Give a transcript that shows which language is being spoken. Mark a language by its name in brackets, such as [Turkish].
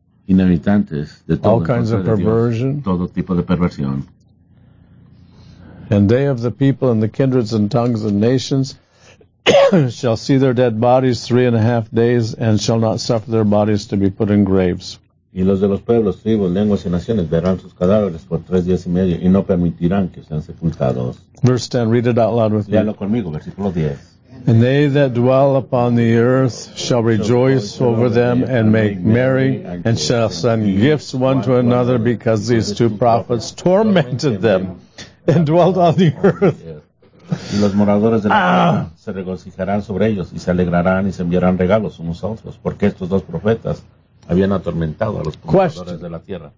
[Spanish] Inhabitantes de todo [English] all kinds of perversion. [Spanish] Dios, todo tipo de perversión. [English] And they of the people and the kindreds and tongues and nations shall see their dead bodies 3.5 days and shall not suffer their bodies to be put in graves. [Spanish] Y los de los pueblos, tribus, lenguas y naciones verán sus cadáveres por 3 días y medio y no permitirán que sean sepultados. [English] Verse 10, read it out loud with me. [Spanish] Léalo conmigo, versículo 10. [English] And they that dwell upon the earth shall rejoice over them and make merry and shall send gifts one to another because these two prophets tormented them and dwelt on the earth. [Spanish] Y los moradores de la tierra se regocijarán sobre ellos y se alegrarán y se enviarán regalos unos a otros porque estos dos profetas habían atormentado a los pobladores de la tierra.